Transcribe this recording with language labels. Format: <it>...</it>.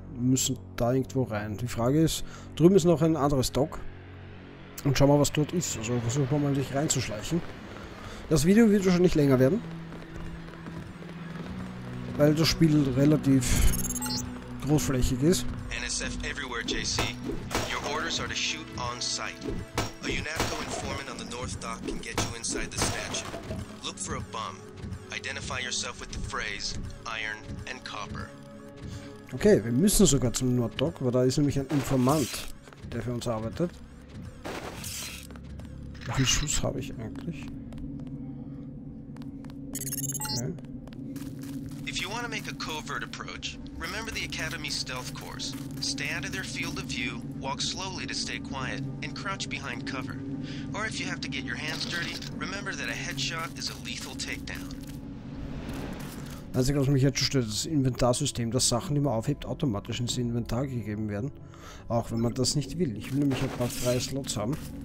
<de>Wir müssen da irgendwo rein. Die Frage ist, drüben ist noch ein anderes Dock. Und schauen wir, was dort ist. Also versuchen wir mal, sich reinzuschleichen. Das Video wird wahrscheinlich länger werden. Weil das Spiel relativ großflächig ist.</de> <en>NSF everywhere, JC. Your orders are to shoot on sight. A UNATCO informant on the North Dock can get you inside the statue. Look for a bomb. Identify yourself with the phrase iron and copper.</en> <de>Okay, wir müssen sogar zum North Dock, weil da ist nämlich ein Informant, der für uns arbeitet. Wie viel Schuss habe ich eigentlich? Okay.</de> <en>If you want to make a covert approach, remember the Academy stealth course. Stay out of their field of view, walk slowly to stay quiet, and crouch behind cover. Or if you have to get your hands dirty, remember that a headshot is a lethal takedown.</en> <de>Also, was mich jetzt schon stört, das Inventarsystem, dass Sachen, die man aufhebt, automatisch ins Inventar gegeben werden. Auch wenn man das nicht will. Ich will nämlich ein paar freie Slots haben.</de>